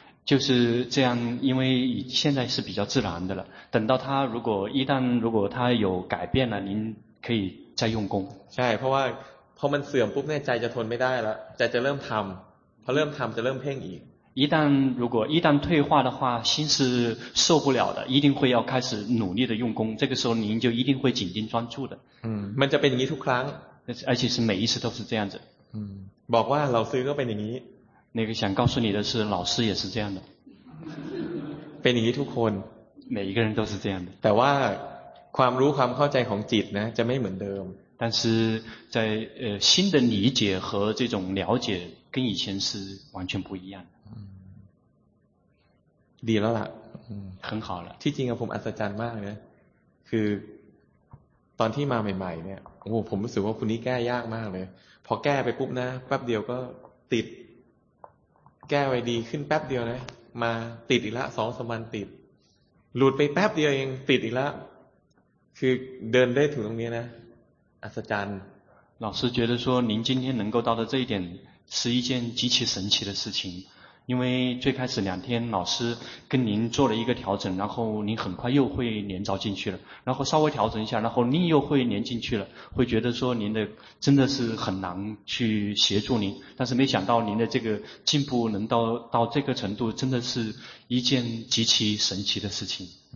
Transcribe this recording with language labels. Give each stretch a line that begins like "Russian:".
Chinese: 就是这样因为现在是比较自然的了等到他如果一旦如果他有改变了您可以再用功
Thai: ใช่เพราะว่าพอมันเสื่อมปุ๊บเนี่ยใจจะทนไม่ได้แล้วใจจะเริ่มทำพอเริ่มทำจะเริ่มเพ่งอีก
Chinese: 一旦退化的话心是受不了的一定会要开始努力的用功这个时候您就一定会紧盯专注的
Thai: มันจะเป็นอย่างนี้ทุกครั้ง
Chinese: 而且是每一次都是这样子
Thai: บอกว่าเราซื้อก็เป็นอย่างนี้
Chinese: 那个想告诉你的是老师也是这样的
Thai: เป็นอย่างนี้ทุกคน
Chinese: 每一个人都是这样的
Thai: แต่ว่าความรู้ความเข้าใจของจิตนะจะไม่เหมือนเดิม
Chinese: 但是在新的理解和这种了解跟以前是完全不一样
Thai: ดีแล้วล่ะ
Chinese: 很好了
Thai: ที่จริงผมอัศจรรย์มากนะคือตอนที่มาใหม่ๆเนี่ยโอ้ผมรู้สึกว่าคุณนี่แก้ยากมากเลยพอแก้ไปปุ๊บนะแป๊บเดียวก็ติดแก้ไว้ดีขึ้นแป๊บเดียวนะมาติดอีกละสองสามวันติดหลุดไปแป๊บเดียวเองติดอีกละคือเดินได้ถึงตรงนี้นะอัศจรรย์
Chinese: 老师觉得说您今天能够到的这一点是一件极其神奇的事情因为最开始两天老师跟您做了一个调整然后您很快又会连着进去了然后稍微调整一下然后您又会连进去了会觉得说您的真的是很难去协助您但是没想到您的这个进步能到这个程度真的是一件极其神奇的事情